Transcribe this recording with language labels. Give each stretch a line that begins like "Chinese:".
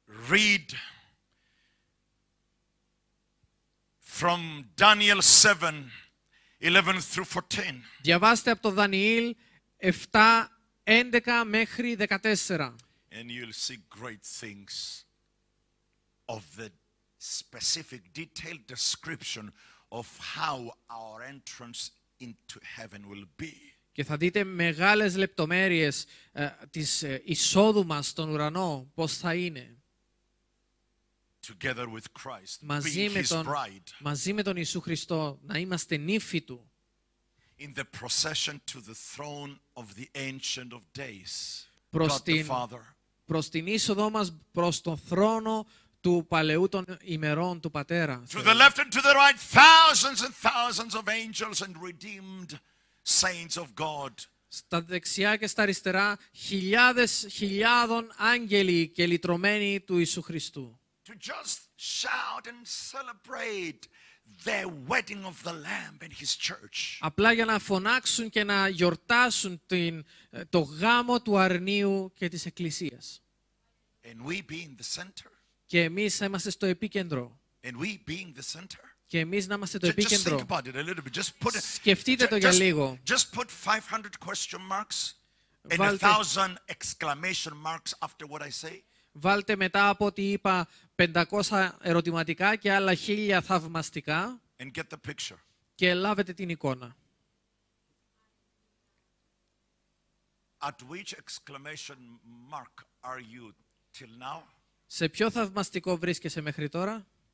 English: Read from Daniel 7, 11 through 14.
Greek: Διαβάστε από το Δανιήλ 7, 11 μέχρι 14.
English: And you'll see great things of the specific, detailed description of how our entrance into heaven will be.
Greek: Και θα δείτε μεγάλες λεπτομέρειες της εισόδου μας στον ουρανό, πώς θα είναι.
English: Together with Christ,
Greek: μαζί
English: being his bride.
Greek: Μαζί με τον Ιησού Χριστό, να είμαστε νύφοι Του.
English: In the procession to the throne of the Ancient of Days,
Greek: προς
English: God the Father.
Greek: Προς την είσοδό μας προς τον θρόνο του παλαιού των ημερών του Πατέρα.
English: To the left and to the right, thousands and thousands of angels and redeemed saints of God.
Greek: Στα δεξιά και στα αριστερά, χιλιάδες χιλιάδων άγγελοι και λυτρωμένοι του Ιησού Χριστού.
English: To just shout and celebrate the wedding of the Lamb and His church.
Greek: Απλά για να φωνάξουν και να γιορτάσουν την, το γάμο του Αρνίου και της Εκκλησίας.
English: And we being the center.
Greek: Και εμείς να είμαστε στο επίκεντρο.
English: And we being the center.
Greek: Και εμείς να είμαστε το επίκεντρο.
English: Just think about it a little bit. Just put.
Greek: Σκεφτείτε το για λίγο.
English: Just put 500 question marks and 1,000 exclamation marks after what I say.
Greek: Βάλτε μετά από ό,τι είπα 500 ερωτηματικά και άλλα 1,000 θαυμαστικά και λάβετε την εικόνα.
English: At which exclamation mark are you till now?
Greek: Σε ποιο θαυμαστικό βρίσκεσαι μέχρι τώρα?